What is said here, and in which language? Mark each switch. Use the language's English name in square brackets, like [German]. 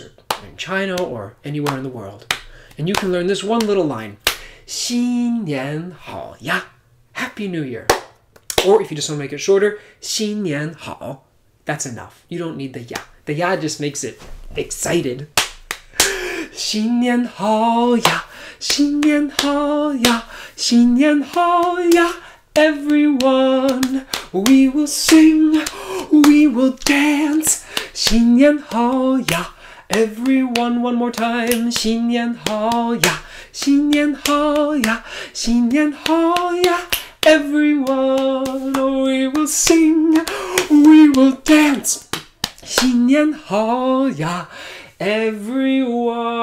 [English] or in China or anywhere in the world. And you can learn this one little line. [Chinese] 新年好呀. [English] Happy New Year. Or if you just want to make it shorter, [Chinese] 新年好. [English] That's enough. You don't need the ya. The ya just makes it excited. [Chinese] 新年好呀. 新年好呀, 新年好呀, everyone. [English] We will sing, we will dance. [Chinese] 新年好呀, everyone. [English] One more time. [Chinese] 新年好呀, 新年好呀, 新年好呀, everyone. [English] We will sing, we will dance. [Chinese] 新年好呀, everyone.